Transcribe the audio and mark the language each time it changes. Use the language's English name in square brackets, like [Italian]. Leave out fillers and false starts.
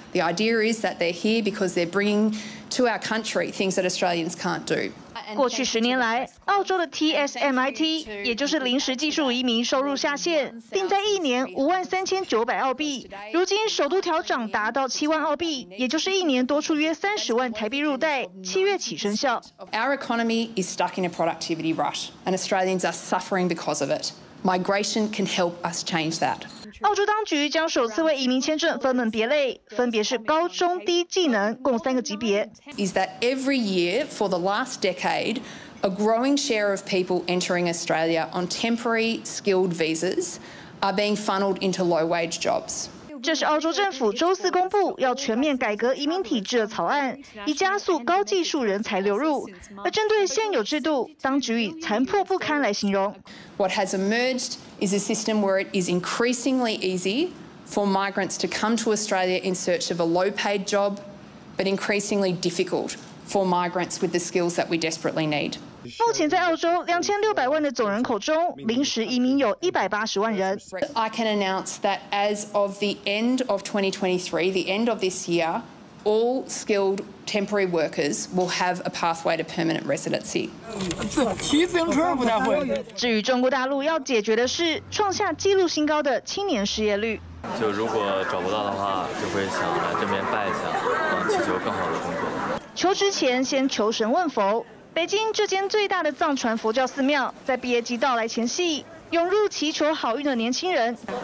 [English] The idea is that they're here because they're bringing to our country things that Australians can't do. [Chinese] 过去十年来，澳洲的 TSMIT， 也就是临时技术移民收入下限，定在一年53,900澳币，如今首度调涨达到70,000澳币，也就是一年多出约300,000台币入袋，七月起生效。 [English] Our economy is stuck in a productivity rut, and Australians are suffering because of it. Migration can help us change that. [Chinese] 澳洲当局将首次为移民签证分门别类，分别是高中低技能共三个级别。 [English] Is that every year for the last decade, a growing share of people entering Australia on temporary skilled visas are being funneled into low wage jobs? [Chinese] 这是澳洲政府周四公布要全面改革移民体制的草案，以加速高技术人才流入。而针对现有制度，当局以残破不堪来形容。 [English] What has emerged is a system where it is increasingly easy for migrants to come to Australia in search of a low-paid job, but increasingly difficult for migrants with the skills that we desperately need. [Chinese] 目前在澳洲2600,000的总人口中，临时移民有180,000人。 [English] I can announce that as of the end of 2023, the end of this year, all skilled temporary workers will have a pathway to permanent residency. [Chinese] 骑自行车不太会。至于中国大陆要解决的是创下纪录新高的青年失业率。就如果找不到的话，就会想来这边拜一下，祈求更好的工作。求职前先求神问佛。北京这间最大的藏传佛教寺庙，在毕业季到来前夕，涌入祈求好运的年轻人，